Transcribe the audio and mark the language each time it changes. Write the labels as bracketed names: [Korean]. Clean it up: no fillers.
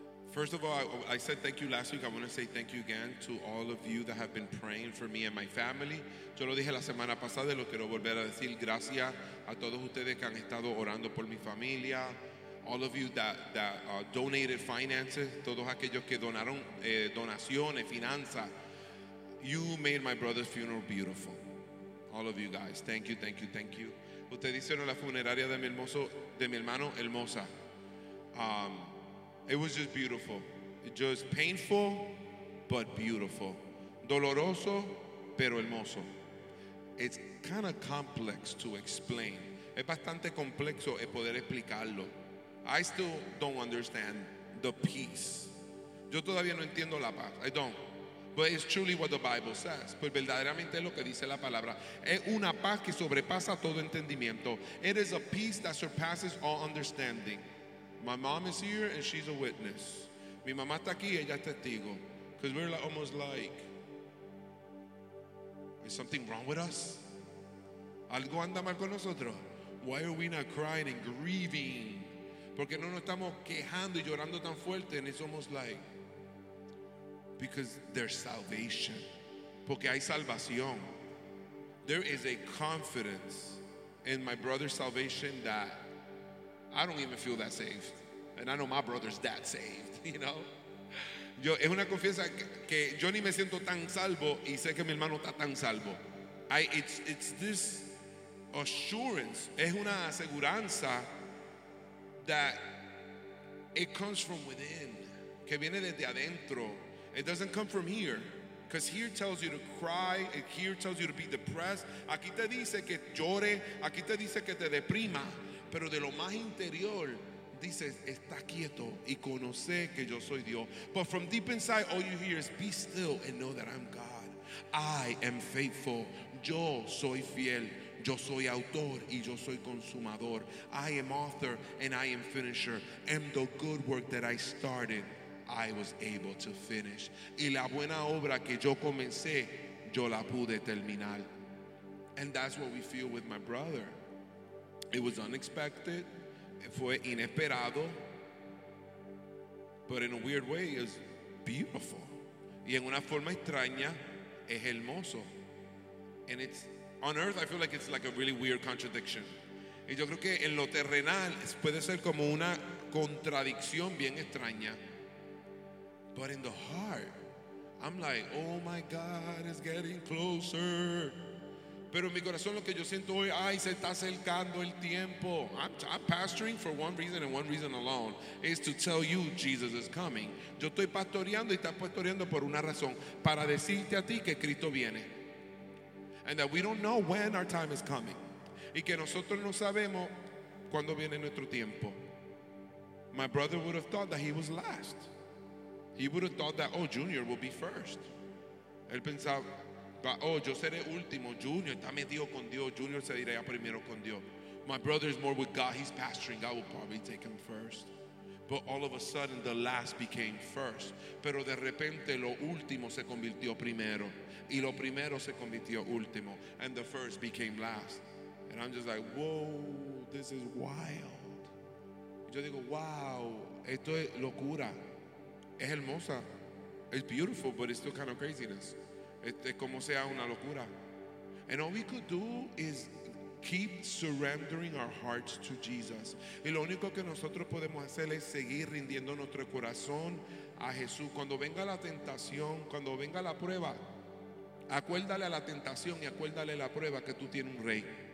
[English] First of all, I said thank you last week. I want to say thank you again to all of you that have been praying for me and my family. [Spanish] Yo lo dije la semana pasada y lo quiero volver a decir. Gracias a todos ustedes que han estado orando por mi familia. [English] All of you that donated finances. [Spanish] Todos aquellos que donaron donaciones, finanzas. [English] You made my brother's funeral beautiful. All of you guys. Thank you, thank you, thank you. [Spanish] Ustedes hicieron la funeraria de mi hermano hermosa. [English] It was just beautiful. Just painful, but beautiful. [Spanish] Doloroso, pero hermoso. [English] It's kind of complex to explain. [Spanish] Es bastante complejo el poder explicarlo. [English] I still don't understand the peace. [Spanish] Yo todavía no entiendo la paz. [English] I don't. But it's truly what the Bible says. [Spanish] Pues verdaderamente es lo que dice la palabra. Es una paz que sobrepasa todo entendimiento. [English] It is a peace that surpasses all understanding. My mom is here and she's a witness. [Spanish] Mi mamá está aquí y ella es testigo. [English] Because we're almost like, is something wrong with us? [Spanish] ¿Algo anda mal con nosotros? [English] Why are we not crying and grieving? [Spanish] Porque no nos estamos quejando y llorando tan fuerte. [English] And it's almost like, because there's salvation. [Spanish] Porque hay salvación. [English] There is a confidence in my brother's salvation that I don't even feel that saved. And I know my brother's that saved, you know? [Spanish] Yo, es una confianza que yo ni me siento tan salvo y sé que mi hermano está tan salvo. [English] It's this assurance. [Spanish] Es una aseguranza [English] that it comes from within. [Spanish] Que viene desde adentro. [English] It doesn't come from here. Because here tells you to cry. And here tells you to be depressed. [Spanish] Aquí te dice que llore. Aquí te dice que te deprima. Pero de lo más interior, dices, está quieto y conoce que yo soy Dios. [English] But from deep inside, all you hear is, be still and know that I'm God. I am faithful. [Spanish] Yo soy fiel. Yo soy autor y yo soy consumador. [English] I am author and I am finisher. And the good work that I started, I was able to finish. [Spanish] Y la buena obra que yo comencé, yo la pude terminar. [English] And that's what we feel with my brother. It was unexpected. [Spanish] Fue inesperado. [English] But in a weird way, it's beautiful. [Spanish] Y en una forma extraña, es hermoso. [English] And it's, on earth, I feel like it's like a really weird contradiction. [Spanish] Y yo creo que en lo terrenal, puede ser como una contradicción bien extraña. [English] But in the heart, I'm like, oh my God, it's getting closer. [Spanish] Pero en mi corazón lo que yo siento hoy, ay, se está acercando el tiempo. [English] I'm pastoring for one reason and one reason alone, is to tell you Jesus is coming. [Spanish] Yo estoy pastoreando y estás pastoreando por una razón, para decirte a ti que Cristo viene. [English] And that we don't know when our time is coming. [Spanish] Y que nosotros no sabemos cuándo viene nuestro tiempo. [English] My brother would have thought that he was last. He would have thought that, oh, Junior will be first. [Spanish] Él pensaba, oh, yo seré último, Junior está metido con Dios, Junior se irá primero con Dios. [English] My brother is more with God, he's pastoring, God will probably take him first. But all of a sudden the last became first. [Spanish] Pero de repente lo último se convirtió primero, y lo primero se convirtió último, [English] and the first became last. And I'm just like, whoa, this is wild. [Spanish] Yo digo, wow, esto es locura, es hermosa, [English] it's beautiful, but it's still kind of craziness. [Spanish] Como sea una locura. [English] And all we could do is keep surrendering our hearts to Jesus. [Spanish] Y lo único que nosotros podemos hacer es seguir rindiendo nuestro corazón a Jesús. Cuando venga la tentación, cuando venga la prueba, acuérdale a la tentación y acuérdale la prueba que tú tienes un rey.